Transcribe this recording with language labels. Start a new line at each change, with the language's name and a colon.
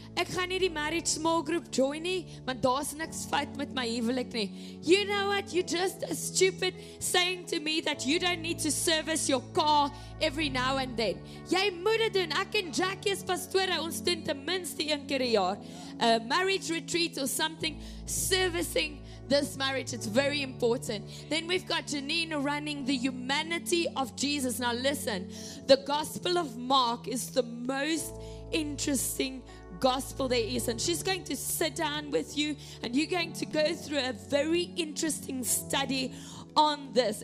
Afrikaans: Ek gaan nie die marriage small group join nie, want daar's niks fout met my huwelik nie.
English: You know what? You're just a stupid saying to me that you don't need to service your car every now and then.
Afrikaans: Jy moet dit doen. Ek en Jackie is pastore, ons doen ten minste een keer 'n jaar 'n
English: marriage retreat or something servicing this marriage. It's very important. Then we've got Janine running the humanity of Jesus. Now listen, the Gospel of Mark is the most interesting gospel there is. And she's going to sit down with you and you're going to go through a very interesting study on this.